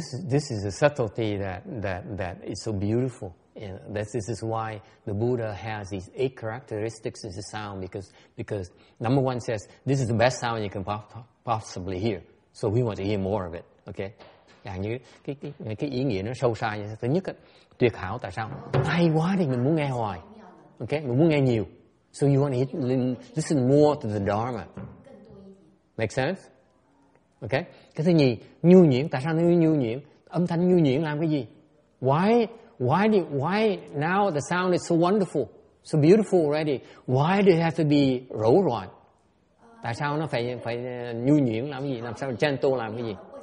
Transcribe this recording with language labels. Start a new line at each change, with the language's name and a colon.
English: This is a subtlety that is so beautiful. And this is why the Buddha has these eight characteristics in the sound, because number one says this is the best sound you can possibly hear. So we want to hear more of it. Okay?
Vietnamese: Dạ, như cái ý nghĩa nó sâu xa. Thứ nhất là tuyệt hảo, tại sao? Hay quá thì mình muốn nghe hoài. Okay? Mình muốn nghe nhiều.
English: So you want to listen more to the Dharma. Make sense?
Vietnamese: Okay. Cái thứ nhì, nhu nhuyễn. Tại sao nó nhu nhuyễn? Âm thanh nhu nhuyễn làm cái gì?
English: Why now the sound is so wonderful, so beautiful already? Why do it have to be
Vietnamese: rối loạn? Tại sao nó phải nhu nhuyễn làm cái gì? Làm sao gentle làm cái gì?